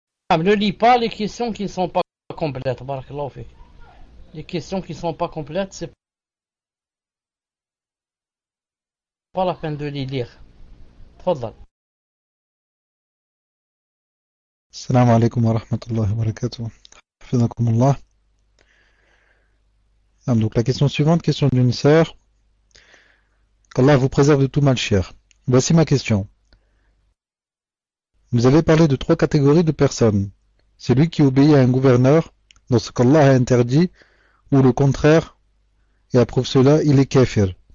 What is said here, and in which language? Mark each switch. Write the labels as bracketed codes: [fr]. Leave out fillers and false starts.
[fr] Ne lis pas les questions qui ne sont pas complètes. [ar] Barakallahu fik. [fr] Les questions qui ne sont pas complètes, c'est pas la peine de les lire. [ar] Tfadhal. السلام عليكم ورحمة الله وبركاته حفظكم الله. [fr] Donc la question suivante, question d'une sœur. Qu'Allah vous préserve de tout mal, cher. Voici ma question. Vous avez parlé de trois catégories de personnes. Celui qui obéit à un gouverneur dans ce qu'Allah a interdit ou le contraire et approuve cela, il est kafir.